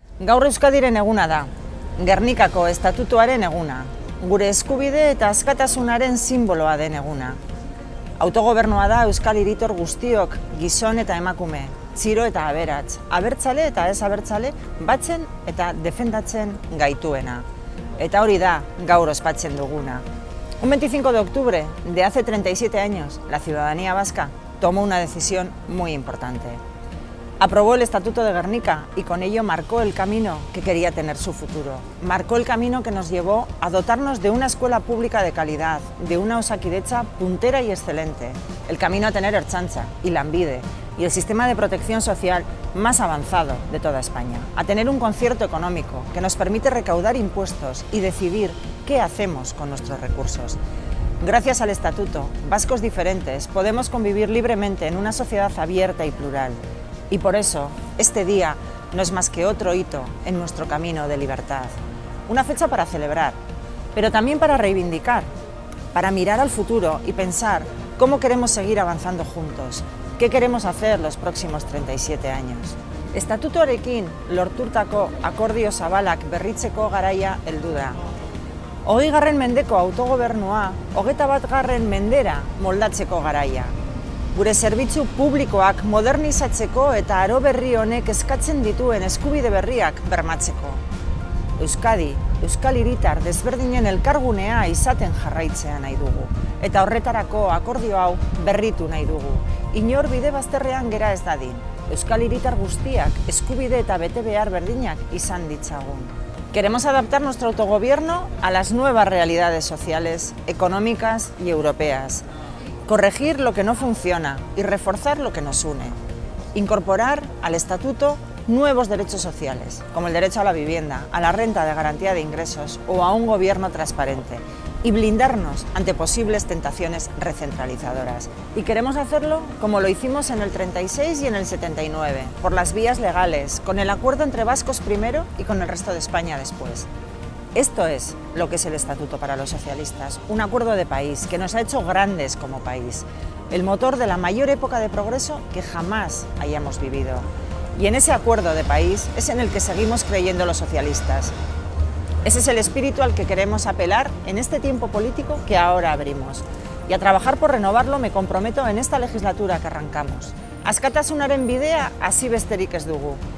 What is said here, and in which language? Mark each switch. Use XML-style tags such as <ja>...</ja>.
<eu>Gaur Euskadiren eguna da, Gernikako estatutuaren eguna, gure eskubide eta askatasunaren simboloa den eguna. Autogobernua da Euskal hiritor guztiok, gizon eta emakume, txiro eta aberats, abertzale eta ez abertzale, batzen eta defendatzen gaituena. Eta hori da, gaur ospatzen duguna.</eu> <es>Un 25 de octubre de hace 37 años, la ciudadanía vasca tomó una decisión muy importante. Aprobó el Estatuto de Guernica y con ello marcó el camino que quería tener su futuro. Marcó el camino que nos llevó a dotarnos de una escuela pública de calidad, de una Osakidetza puntera y excelente. El camino a tener Ertzaintza y Lanbide y el sistema de protección social más avanzado de toda España. A tener un concierto económico que nos permite recaudar impuestos y decidir qué hacemos con nuestros recursos. Gracias al Estatuto, vascos diferentes podemos convivir libremente en una sociedad abierta y plural. Y por eso, este día no es más que otro hito en nuestro camino de libertad. Una fecha para celebrar, pero también para reivindicar, para mirar al futuro y pensar cómo queremos seguir avanzando juntos, qué queremos hacer los próximos 37 años.</es> <eu>Estatutuarekin lorturtako akordio zabalak berritzeko garaia heldu da. 20. Mendeko autogobernua, 21. Mendera moldatzeko garaia. Gure zerbitzu publikoak modernizatzeko eta aro berri honek eskatzen dituen eskubide berriak bermatzeko. Euskadi, Euskal Hiritar desberdinen elkargunea izaten jarraitzea nahi dugu. Eta horretarako akordio hau berritu nahi dugu. Inor bide bazterrean gera ez dadin. Euskal Hiritar guztiak eskubide eta bete behar berdinak izan ditzagun.</eu> <es>Queremos adaptar nuestro autogobierno a las nuevas realidades sociales, económicas y europeas. Corregir lo que no funciona y reforzar lo que nos une. Incorporar al Estatuto nuevos derechos sociales, como el derecho a la vivienda, a la renta de garantía de ingresos o a un gobierno transparente. Y blindarnos ante posibles tentaciones recentralizadoras. Y queremos hacerlo como lo hicimos en el 36 y en el 79, por las vías legales, con el acuerdo entre vascos primero y con el resto de España después. Esto es lo que es el Estatuto para los socialistas, un acuerdo de país que nos ha hecho grandes como país, el motor de la mayor época de progreso que jamás hayamos vivido. Y en ese acuerdo de país es en el que seguimos creyendo los socialistas. Ese es el espíritu al que queremos apelar en este tiempo político que ahora abrimos. Y a trabajar por renovarlo me comprometo en esta legislatura que arrancamos.</es> <eu>Askatasunaren bidea hasi besterik ez dugu.</eu>